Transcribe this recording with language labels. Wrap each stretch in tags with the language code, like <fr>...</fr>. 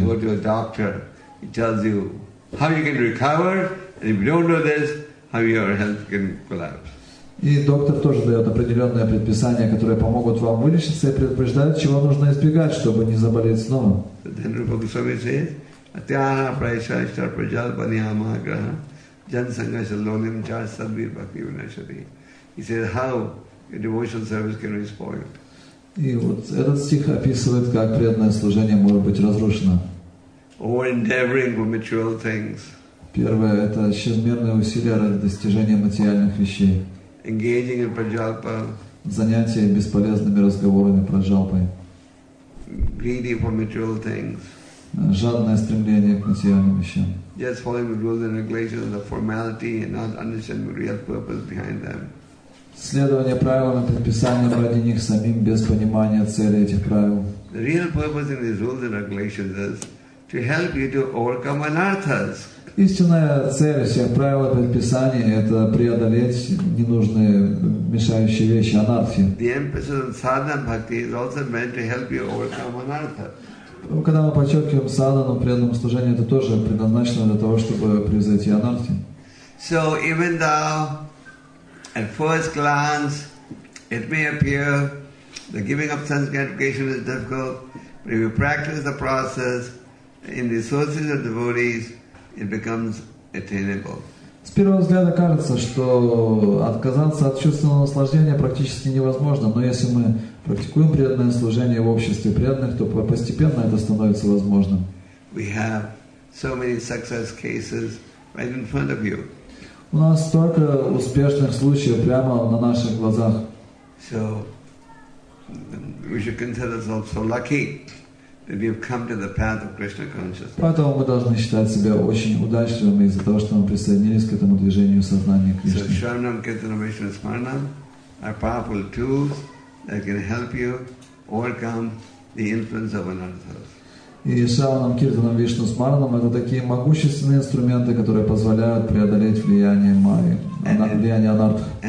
<en>Just like you go to a doctor, he tells you how you can recover, and if you don't know this, how your health can collapse.</en> <ru>И доктор тоже дает определенные предписания, которые помогут вам вылечиться и предупреждают, чего нужно избегать, чтобы не заболеть снова.</ru> <en>Then Rupa Goswami says,</en> <sa>Atyana Praishashtar Prajal Paniyama Graha Jan Sangha Shalonim Chas Sadvir Bhakti Vinashari.</sa> <en>He says, how your devotional service can be spoiled.</en> <ru>И вот этот стих описывает, как преданное служение может быть разрушено.</ru> <en>Or endeavoring for material things.</en> <ru>Первое – это чрезмерные усилия ради достижения материальных вещей.</ru> <en>Engaging in prajalpa.</en> <ru>Занятия бесполезными разговорами праджалпой.</ru> <en>Greedy for material things.</en> <ru>Жадное стремление к материальным вещам.</ru> <en>Just following the rules and regulations, the formality, and not understanding the real purpose behind them.</en> <ru>Следование правилам и предписаниям ради них самим без понимания цели этих правил.</ru> <en>The real purpose in these rules and regulations is to help you to overcome anarthas.</en> <ru>Истинная цель всех правил предписания — это преодолеть ненужные мешающие вещи, анархи.</ru> <en>The emphasis on sadhana bhakti is also meant to help you overcome anartha.</en> <ru>Когда мы подчеркиваем садхану, преданному служению, это тоже предназначено для того, чтобы превзойти анархи.</ru> <en>So even though at first glance it may appear the giving up sense gratification is difficult, but if you practice the process in the sources of devotees, it becomes attainable.</en> <ru>С первого взгляда кажется, что отказаться от чувственного наслаждения практически невозможно, но если мы практикуем преданное служение в обществе преданных, то постепенно это становится возможным.</ru> <en>We have so many success cases right in front of you.</en> <ru>У нас столько успешных случаев прямо на наших глазах.</ru> <en>So we should consider ourselves so lucky that we have come to the path of Krishna consciousness.</en> <ru>Поэтому мы должны считать себя очень удачливыми из-за того, что мы присоединились к этому движению сознания Кришны.</ru> <en>So</en> <sa>Sharanam Kirtanam Vishnu Smaranam</sa> <en>are powerful tools that can help you overcome the influence of anarthas.</en> <ru>И</ru> <sa>Шраванам Киртанам Вишну Смаранам</sa> <ru>— это такие могущественные инструменты, которые позволяют преодолеть влияние Майи, влияние анартх.</ru>